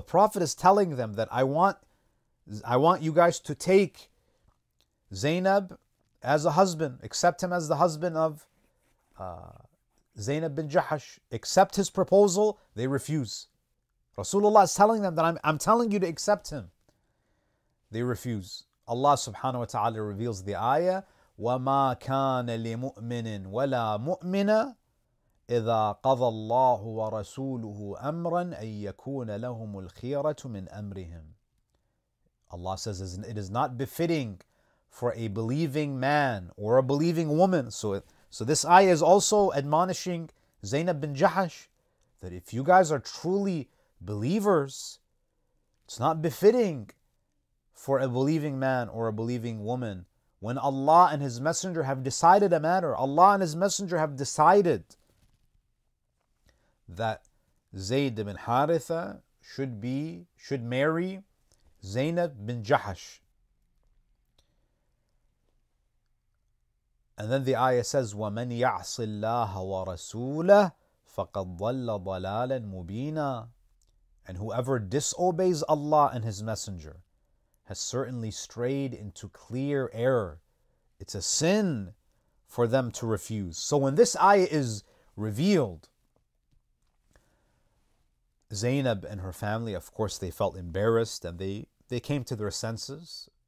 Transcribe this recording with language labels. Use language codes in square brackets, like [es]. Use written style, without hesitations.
[en] The Prophet is telling them that I want you guys to take Zaynab as a husband. Accept him as the husband of Zaynab bin Jahash. Accept his proposal. They refuse. Rasulullah is telling them that I'm telling you to accept him. They refuse. Allah subhanahu wa ta'ala reveals the ayah, [ar] وَمَا كَانَ لِمُؤْمِنٍ وَلَا مُؤْمِنًا إِذَا قَضَى اللَّهُ وَرَسُولُهُ أَمْرًا أَن يَكُونَ لَهُمُ الْخِيَرَةُ مِنْ أَمْرِهِمْ. [en] Allah says, it is not befitting for a believing man or a believing woman. So this ayah is also admonishing Zaynab bin Jahash that if you guys are truly believers, it's not befitting for a believing man or a believing woman. When Allah and His Messenger have decided a matter, Allah and His Messenger have decided that Zayd ibn Haritha should marry Zaynab bin Jahash. And then the ayah says, [ar] وَمَنْ يَعْصِ اللَّهَ وَرَسُولَهُ فَقَدْ ضَلَّ ضَلَالًا مُبِينًا. [en] And whoever disobeys Allah and His Messenger has certainly strayed into clear error. It's a sin for them to refuse. So when this ayah is revealed, Zaynab and her family, of course, they felt embarrassed and they came to their senses.